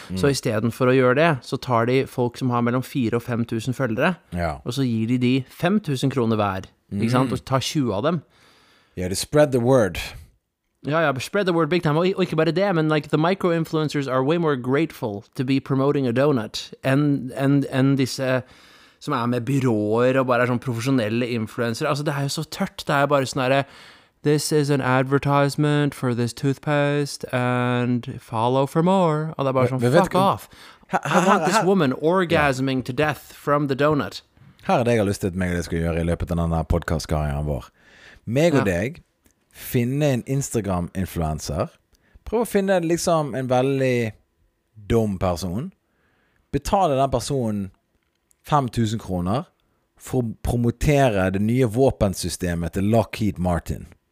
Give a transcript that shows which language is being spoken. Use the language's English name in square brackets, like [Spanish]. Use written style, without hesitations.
[Norwegian] Så i stedet for å gjøre det, så tar de folk som har mellom 4 og 5 tusen følgere, og så gir de 5 tusen kroner hver, ikke sant? Og tar 20 av dem. Ja, yeah, de [English] spread the word. Ja, spread the word big time. [Norwegian] Og ikke bare det, men [English] like the micro-influencers are way more grateful to be promoting a donut [Norwegian] enn disse som er med byråer og bare er sånn profesjonelle influencer. Altså det er jo så tørt. Det er jo bare sånn der... [English] This is an advertisement for this toothpaste, and follow for more. [Norwegian] Og det er bare sånn, [English] fuck off. I want this woman orgasming to death from the donut. [Norwegian] Her er det jeg har lyst til at meg og deg skal gjøre i løpet av denne podcast-karrieren vår. Meg og deg, finne en Instagram-influencer. Prøv å finne liksom en veldig dum person. Betale den personen 5000 kroner for å promotere det nye våpensystemet til Lockheed Martin.